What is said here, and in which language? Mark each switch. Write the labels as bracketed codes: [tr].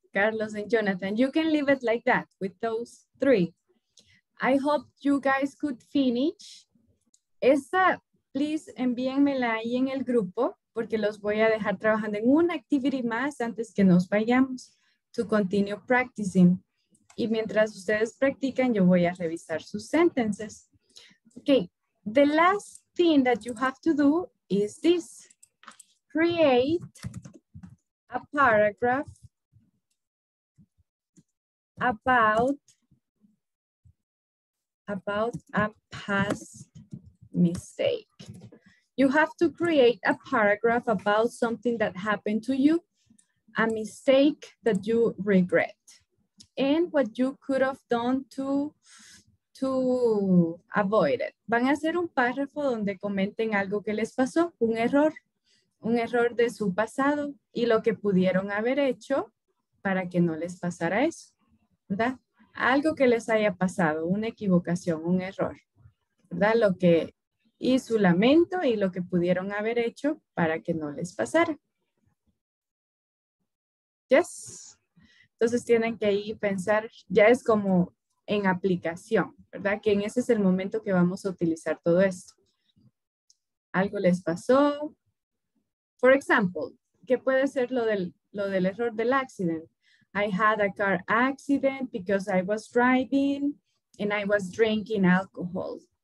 [en] Carlos and Jonathan, you can leave it like that with those three. I hope you guys could finish. [es] Esa, please envíenmela ahí en el grupo porque los voy a dejar trabajando en una activity más antes que nos vayamos [en] to continue practicing. [es] Y mientras ustedes practican, yo voy a revisar sus sentences. [en] Okay, the last thing that you have to do is this. Create a paragraph about a past mistake. You have to create a paragraph about something that happened to you, a mistake that you regret, and what you could have done to avoid it. [es] Van a hacer un párrafo donde comenten algo que les pasó, un error de su pasado y lo que pudieron haber hecho para que no les pasara eso. ¿Verdad? Algo que les haya pasado, una equivocación, un error, ¿verdad? Lo que y su lamento y lo que pudieron haber hecho para que no les pasara. Yes. Entonces tienen que ir pensar, ya es como en aplicación, ¿verdad? Que en ese es el momento que vamos a utilizar todo esto. Algo les pasó. [en] For example, [es] ¿qué puede ser lo del error del accidente? [en] I had a car accident because I was driving and I was drinking alcohol.